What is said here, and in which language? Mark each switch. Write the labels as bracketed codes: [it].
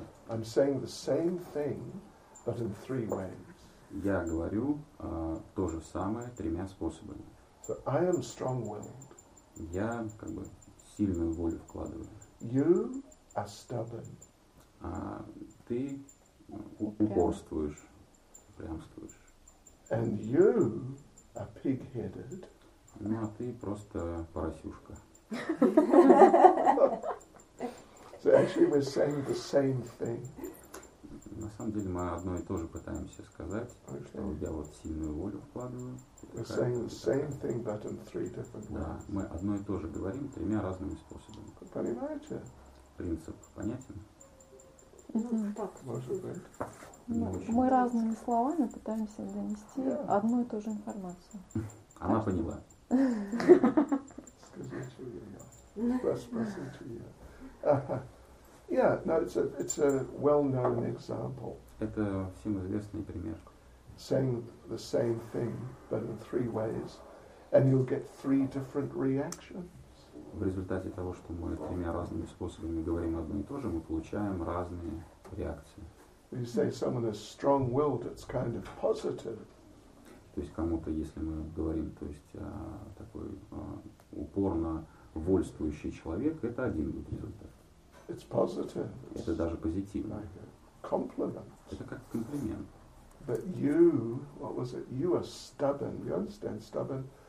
[en] I'm saying the same thing, but in three ways. [ru] Я говорю то же самое тремя способами. [en] So I am strong-willed. [ru] Я как бы сильную волю вкладываю. [en] You are stubborn. [ru] Ты упорствуешь, упрямствуешь. [en] And you are pig-headed. [ru] Ну, а ты просто поросюшка. [en] So actually we're saying the same thing. [ru] На самом деле мы одно и то же пытаемся сказать, okay. Что я вот сильную волю вкладываю. [en] We're saying the same thing, but in three different ways. [ru] Да, мы одно и то же говорим тремя разными способами. Понимаете? Принцип понятен? Так, может быть. Мы разными словами пытаемся донести одну и ту же информацию. Она поняла. Скажи, что я. Спроси, что я. [en] Yeah, no, it's a well-known example. [ru] Это всем известный пример. [en] Saying the same thing, but in three ways, and you'll get three different reactions. [ru] В результате того, что мы тремя разными способами говорим одно и то же, мы получаем разные реакции. [en] You say someone is strong-willed, it's kind of positive. [ru] То есть кому-то, если мы говорим, то есть такой упорно вольствующий человек, это один будет результат. [en] It's positive. [ru] Это даже позитивно. [en] Like a compliment. [ru] Это как комплимент. [en] But you, what was it? You are stubborn. You understand stubborn?